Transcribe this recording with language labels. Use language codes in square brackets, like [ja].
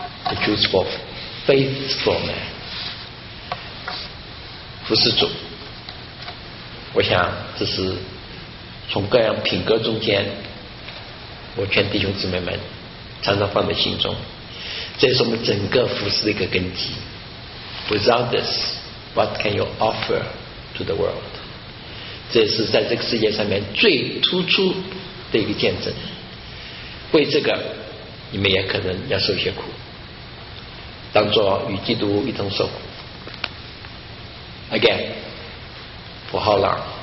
[en] The truth of faithful man， [zh] 服侍主，我想这是从各样品格中间，我劝弟兄姊妹们常常放在心中，这是我们整个服侍的一个根基。 [en] Without this, what can you offer to the world？ [zh] 这是在这个世界上面最突出的一个见证。为这个，你们也可能要受些苦。当作与基督一同受苦。 [en] Again, for how long?